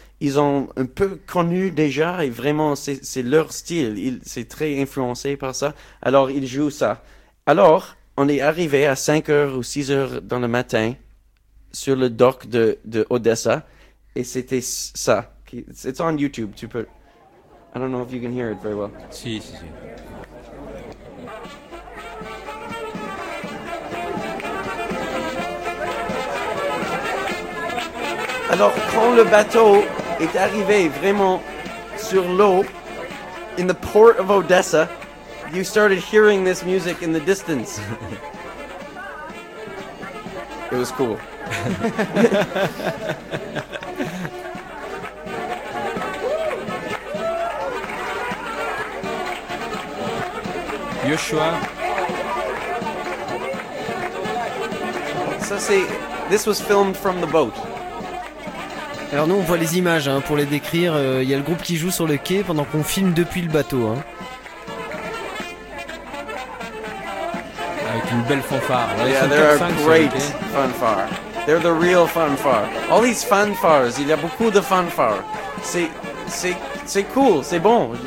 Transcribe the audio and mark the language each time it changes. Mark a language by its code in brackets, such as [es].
[fr] Ils ont un peu connu déjà et vraiment c'est leur style. C'est très influencé par ça. Alors, ils jouent ça. Alors, on est arrivé à 5h ou 6h dans le matin sur le dock de Odessa et c'était ça. [en] It's on YouTube. [fr] Tu peux... [en] I don't know if you can hear it very well. [fr] Si, si, si. Alors, quand le bateau est arrivé vraiment sur l'eau, [en] in the port of Odessa, you started hearing this music in the distance. It was cool. Joshua. So see, this was filmed from the boat. [fr] Alors nous on voit les images hein, pour les décrire. Il y a le groupe qui joue sur le quai pendant qu'on filme depuis le bateau. Hein. Une belle fanfare. [en] Yeah, they're a great fanfare. They're the real fanfare. All these fanfares, [fr] il y a beaucoup de fanfares. C'est cool, c'est bon.